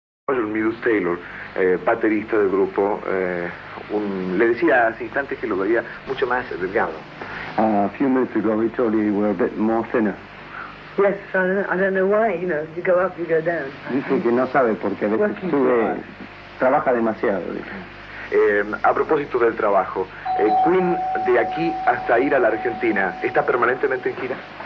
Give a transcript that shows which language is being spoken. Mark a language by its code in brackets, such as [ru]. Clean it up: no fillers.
[es] Mirus Taylor, baterista del grupo, le decía hace instantes que lo veía mucho más delgado. [en] A few minutes ago, he told you were a bit more thinner. Yes, I don't know why, you know, you go up, you go down. [es] Dice que no sabe porque a veces sube, trabaja demasiado. A propósito del trabajo, Queen, de aquí hasta ir a la Argentina, ¿está permanentemente en gira?